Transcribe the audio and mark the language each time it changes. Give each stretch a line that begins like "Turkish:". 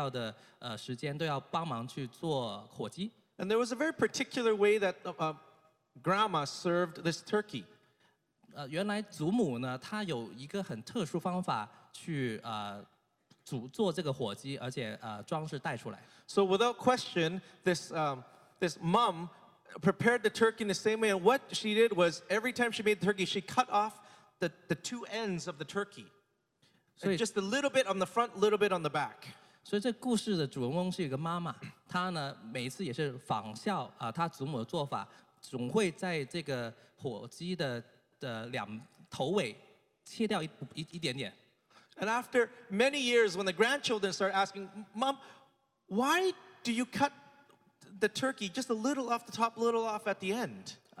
Chinese: 我就想起有个故事，有一个是中年的这一代，他承继了一个责任，就是在所有家族聚会的重要的时间都要帮忙去做火鸡。
English: And there was a very particular way that grandma served this turkey.
Chinese: 原来祖母呢，她有一个很特殊方法去做这个火鸡，而且装饰带出来。
English: So without question, this mom prepared the turkey in the same way. And what she did was, every time she made the turkey, she cut off the two ends of the turkey, just a little bit on the front, little bit on the back.
Chinese: 所以这故事的主人公是一个妈妈，她呢每一次也是仿效她祖母的做法，总会在这个火鸡的
English: And after many years, when the grandchildren start asking, Mom, why do you cut the turkey just a little off the top, a little off at the end?